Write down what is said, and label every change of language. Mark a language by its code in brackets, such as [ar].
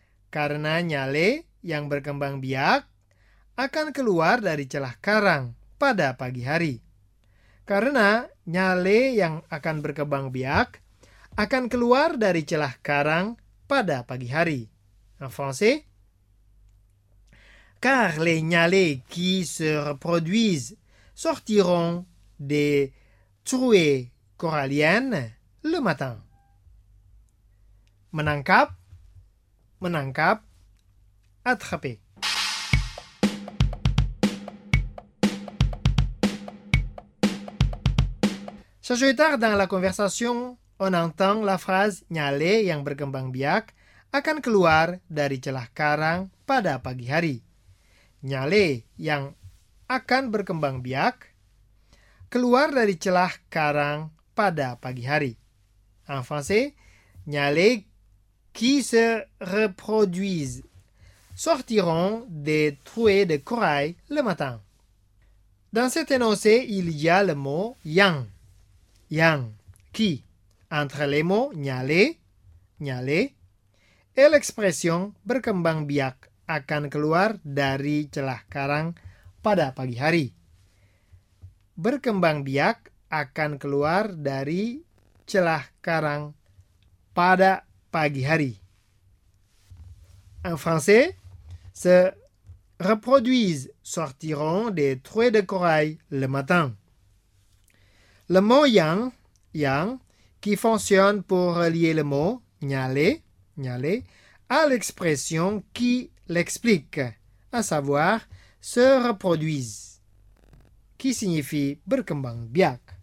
[id] Karena nyale yang berkembang biak akan keluar dari celah karang pada pagi hari. Karena nyale yang akan berkembang biak akan keluar dari celah karang pada pagi hari. [fr] En français? Car les nyale qui se reproduisent sortiront des trouées corallienne le matin. [id] Menangkap, menangkap, attraper. [fr] Chers auditeurs, dans la conversation, on entend la phrase [id] nyale yang berkembang biak akan keluar dari celah karang pada pagi hari. Nyale yang akan berkembang biak keluar dari celah karang pada pagi hari. [fr] En français, nyale qui se reproduisent sortiront des trouées de corail le matin. Dans cet énoncé, il y a le mot yang. [id] Yang, [fr] qui. Entre les mots [id] nyale, nyale, [fr] et l'expression [id] berkembang biak akan keluar dari celah karang pada pagi hari. Berkembang biak akan keluar dari celah karang pada pagi hari. [fr] En français, se reproduisent sortiront des trouées de corail le matin. Le mot yang, yang, qui fonctionne pour relier le mot nyale, nyale, à l'expression qui l'explique, à savoir se reproduisent, qui signifie [id] berkembang biak.